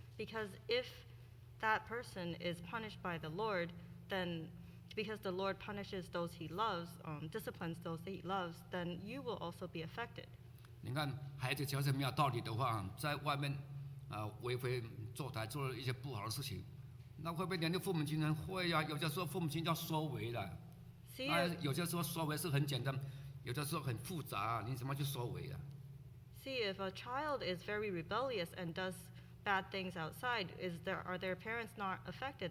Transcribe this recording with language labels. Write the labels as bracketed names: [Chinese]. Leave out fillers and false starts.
[English] Because if that person is punished by the Lord, then because the Lord punishes those he loves, disciplines those that he loves, then you will also be affected. [Chinese] 你看，孩子假设没有道理的话，在外面，违背坐台，做了一些不好的事情。 [English] See, if a child is very rebellious and does bad things outside, are their parents not affected?